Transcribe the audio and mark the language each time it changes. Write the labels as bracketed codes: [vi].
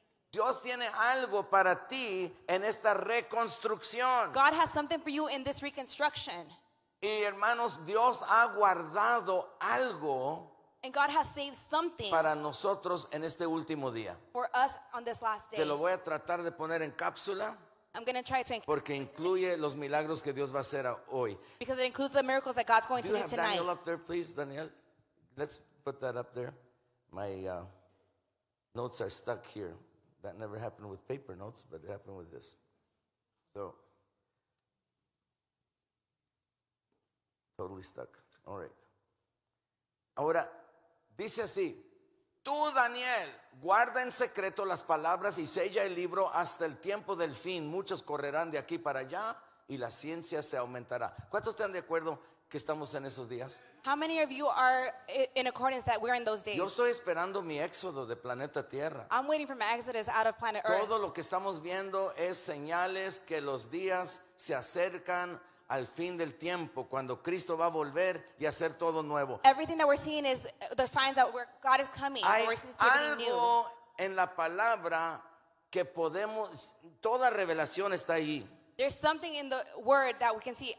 [es] Dios tiene algo para ti en esta reconstrucción. [en] God has something for you in this reconstruction. [es] Y hermanos, Dios ha guardado algo. [en] And God has saved something [es] para nosotros en este último día. [en] For us on this last day. [es] Te lo voy a tratar de poner en cápsula. [en] I'm going to try to. [es] Porque incluye los milagros que Dios va a hacer hoy. [en] Because it includes the miracles that God's going do to do tonight. Do you have Daniel up there, please, Daniel? Let's put that up there. My notes are stuck here. That never happened with paper notes, but it happened with this. So, totally stuck. All right. [es] Ahora, dice así, tú, Daniel, guarda en secreto las palabras y sella el libro hasta el tiempo del fin. Muchos correrán de aquí para allá y la ciencia se aumentará. ¿Cuántos están de acuerdo que estamos en esos días? [en] How many of you are in accordance that we're in those days? [es] Yo estoy esperando mi éxodo de planeta Tierra. [en] I'm waiting for my exodus out of planet Earth. [es] Todo lo que estamos viendo es señales que los días se acercan al fin del tiempo, cuando Cristo va a volver y hacer todo nuevo. [en] Everything that we're seeing is the signs that God is coming. [es] Hay [en] we're seeing something [es] algo [en] new. [es] En la palabra que podemos, toda revelación está ahí. [en] There's something in the word that we can see.